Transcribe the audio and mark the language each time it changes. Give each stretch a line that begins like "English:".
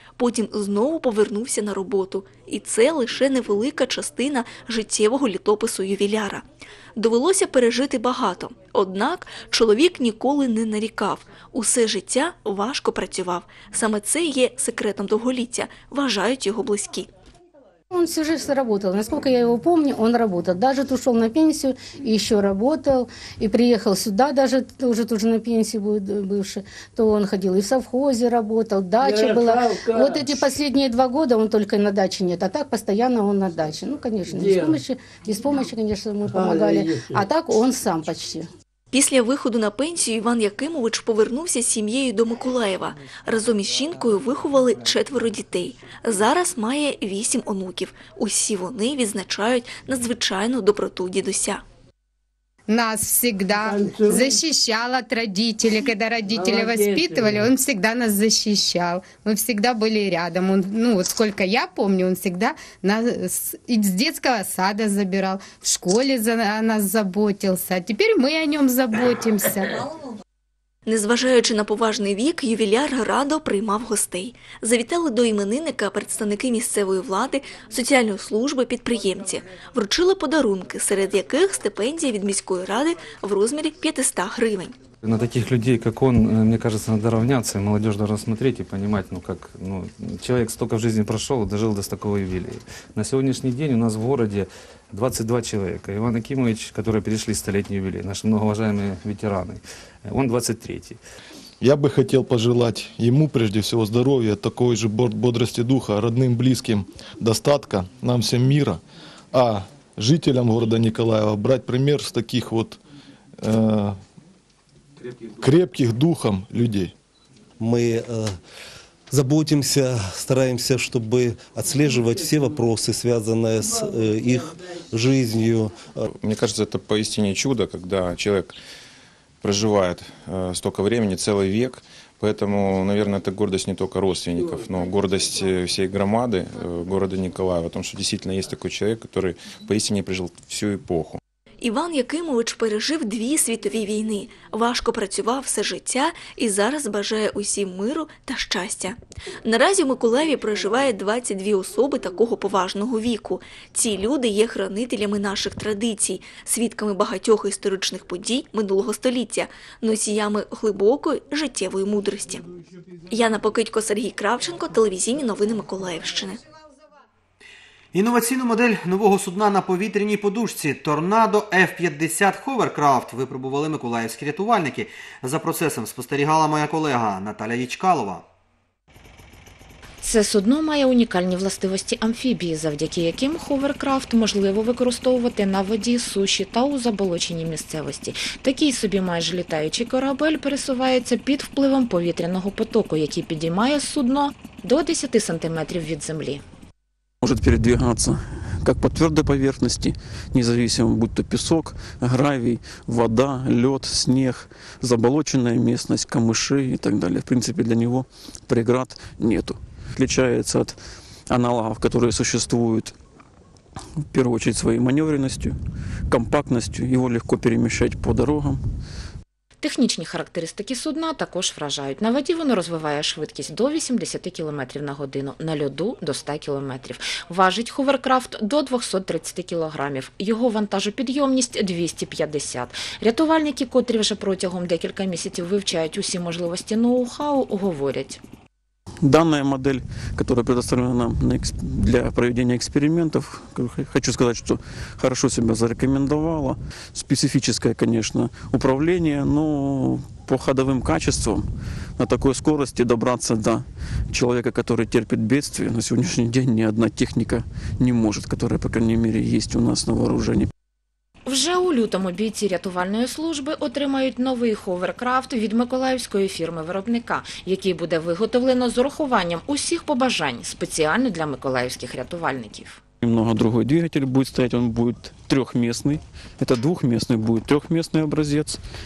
Ukrainian: Потім знову повернувся на роботу. І це лише невелика частина життєвого літопису ювіляра. Довелося пережити багато. Однак чоловік ніколи не нарікав. Усе життя важко працював. Саме це є секретом довголіття, вважають його близькі.
Russian: Он всю жизнь работал. Насколько я его помню, он работал. Даже ушел на пенсию и еще работал. И приехал сюда, даже уже тоже на пенсии будет бывший. То он ходил и в совхозе работал, дача была. Вот эти последние 2 года он только на даче нет. А так постоянно он на даче. Ну, конечно, без помощи, конечно, мы помогали. А так он сам почти.
Ukrainian: Після виходу на пенсію Іван Якимович повернувся з сім'єю до Миколаєва. Разом із жінкою виховали 4 дітей. Зараз має 8 онуків. Усі вони відзначають надзвичайну доброту дідуся.
Russian: нас всегда защищала от родителей. Когда родители воспитывали, он всегда нас защищал. Мы всегда были рядом. Он, ну, вот сколько я помню, он всегда нас из детского сада забирал, в школе за нас заботился. А теперь мы о нем заботимся.
Ukrainian: Незважаючи на поважний вік, ювіляр радо приймав гостей. Завітали до іменинника представники місцевої влади, соціальної служби, підприємці. Вручили подарунки, серед яких стипендія від міської ради в розмірі 500 гривень.
Russian: На таких людей, как он, мне кажется, надо равняться, и молодежь должна смотреть и понимать, ну как, ну, человек столько в жизни прошел и дожил до такого юбилея. На сегодняшний день у нас в городе 22 человека. Иван Акимович, которые перешли столетний юбилей, наши многоуважаемые ветераны, он 23-й. Я бы хотел пожелать ему, прежде всего, здоровья, такой же бодрости духа, родным, близким, достатка, нам всем мира. А жителям города Николаева брать пример с таких вот... крепких духом людей. Мы заботимся, стараемся, чтобы отслеживать все вопросы, связанные с их жизнью. Мне кажется, это поистине чудо, когда человек проживает столько времени, целый век. Поэтому, наверное, это гордость не только родственников, но гордость всей громады города Николаева, о том, что действительно есть такой человек, который поистине прожил всю эпоху.
Ukrainian: Іван Якимович пережив дві світові війни, важко працював все життя і зараз бажає усім миру та щастя. Наразі в Миколаєві проживає 22 особи такого поважного віку. Ці люди є хранителями наших традицій, свідками багатьох історичних подій минулого століття, носіями глибокої життєвої мудрості. Яна Покидько, Сергій Кравченко, телевізійні новини Миколаївщини. Інноваційну модель нового судна на повітряній подушці «Торнадо F-50 Hovercraft» випробували миколаївські рятувальники. За процесом спостерігала моя колега Наталя Ячкалова. Це судно має унікальні властивості амфібії, завдяки яким «Hovercraft» можливо використовувати на воді, суші та у заболоченій місцевості. Такий собі майже літаючий корабель пересувається під впливом повітряного потоку, який підіймає судно до 10 см від землі.
Russian: Может передвигаться как по твердой поверхности, независимо, будь то песок, гравий, вода, лед, снег, заболоченная местность, камыши и так далее. В принципе, для него преград нету. Отличается от аналогов, которые существуют, в первую очередь, своей маневренностью, компактностью, его легко перемещать по дорогам.
Ukrainian: Технічні характеристики судна також вражають. На воді воно розвиває швидкість до 80 км на годину, на льоду – до 100 км. Важить «Hovercraft» до 230 кг. Його вантажопідйомність – 250. Рятувальники, котрі вже протягом декілька місяців вивчають усі можливості ноу-хау, говорять.
Russian: Данная модель, которая предоставлена нам для проведения экспериментов, хочу сказать, что хорошо себя зарекомендовала. Специфическое, конечно, управление, но по ходовым качествам на такой скорости добраться до человека, который терпит бедствие, на сегодняшний день ни одна техника не может, которая, по крайней мере, есть у нас на вооружении.
Ukrainian: Вже у лютому бійці рятувальної служби отримають новий «Hovercraft» від миколаївської фірми-виробника, який буде виготовлено з урахуванням усіх побажань спеціально для миколаївських рятувальників. Немного другий двигатель буде стояти, він буде трьохмісний, це двохмісний буде трьохмісний образець.